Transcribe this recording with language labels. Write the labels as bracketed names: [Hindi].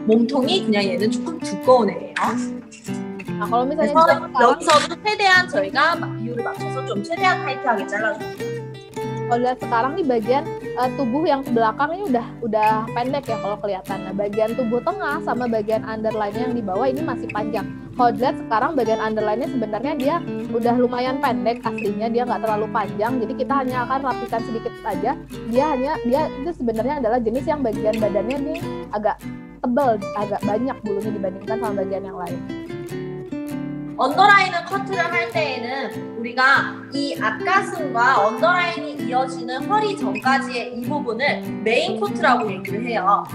[Korean] 몸통이 그냥 얘는 조금 두꺼운 애예요. 아, 그럼 그래서 여기서도 최대한 저희가 비율을 맞춰서 좀 최대한 타이트하게 잘라줍니다. 그래서 [Indonesian] sekarang di bagian tubuh yang belakang ini udah pendek ya kalau kelihatan. Nah, bagian tubuh tengah sama bagian underline-nya yang di bawah ini masih panjang. Kalau dilihat sekarang bagian underline-nya sebenarnya dia udah lumayan pendek aslinya, dia nggak terlalu panjang. Jadi kita hanya akan rapikan sedikit saja. Dia itu sebenarnya adalah jenis yang bagian badannya ini agak tebal, agak banyak bulunya dibandingkan sama bagian yang lain. [Korean] 언더라인을 커트를 할 때에는 우리가 이 앞가슴과 언더라인이 이어지는 허리 전까지의 이 부분을 메인 코트라고 얘기를 해요.